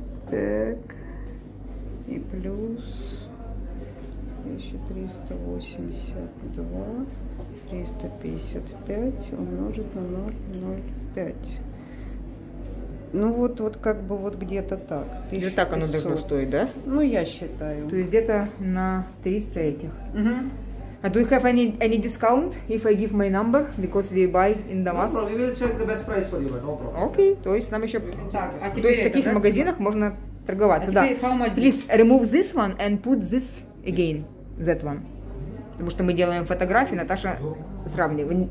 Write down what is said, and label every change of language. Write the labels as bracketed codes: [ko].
[ru] Так, и плюс 1382, 355 умножить на 0,05. Ну вот как бы вот где-то так. И вот так оно должно стоить, да? Ну, я считаю. То есть где-то на 300 этих. Uh-huh. [en] Do you have any discount if I give my number? Because we buy in Damas. No problem. We will check the best price for you, but no problem. [ru] Окей. То есть нам еще... Так, а то есть в таких магазинах можно торговаться, а да. [en] How much Please this? Remove this one and put this again, that one. [ru] Потому что мы делаем фотографии, Наташа сравнивает.